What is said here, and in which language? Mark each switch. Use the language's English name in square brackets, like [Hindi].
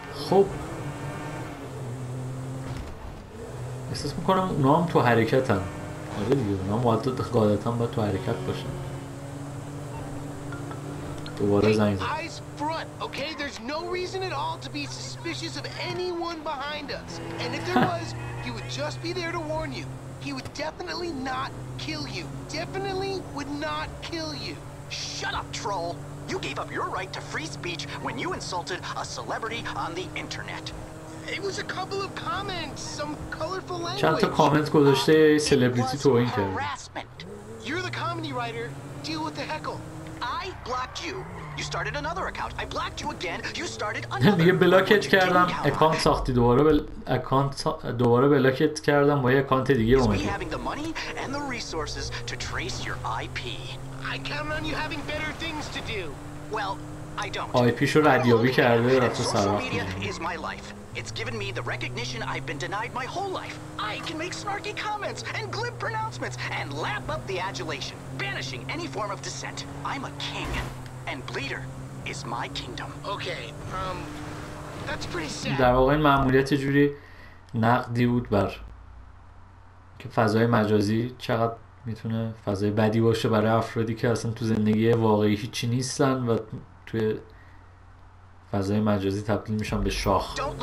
[Persian] خب احساس میکنم اونا هم تو حرکت هم آره دیگه اونا مالتو قاعدتا باید تو حرکت باشن. دوباره زنگ زد. [English] Eyes front, okay? There's no reason at all to be suspicious of anyone behind us. And if there was, he would just be there to warn you. He would definitely not kill you. Definitely would not kill you. Shut up, troll. You gave up your right to free speech when you insulted a celebrity on the internet. It was a couple of comments, some colorful language. [Persian] چند تا کامنت گذاشته سلبریتی تو این کرد. [English] You're the comedy writer. Deal with the heckle. I blocked you. You started another account. I blocked you again. You started another. [Persian] دیگه بلاکت کردم. اکانت ساختی دوباره دوباره بلاکت کردم با یه اکانت دیگه اومدی. [English] You're having the money and the resources to trace your IP. I count on you having better things to do. Well, I don't. [Persian] IPشو ردیابی کرده رفته سر راه. [English] It's given me the recognition I've been denied my whole life. I can make snarky comments and glib pronouncements and lap up the adulation, banishing any form of dissent. I'm a king, and Bleeder is my kingdom. Okay, that's pretty sad. [Persian] در واقع این معمولیت جوری نقدی بود بر که فضای مجازی چقدر میتونه فضای بدی باشه برای افرادی که اصلا تو زندگی واقعی هیچی نیستن و توی فضای مجازی تبدیل میشن به شاخ.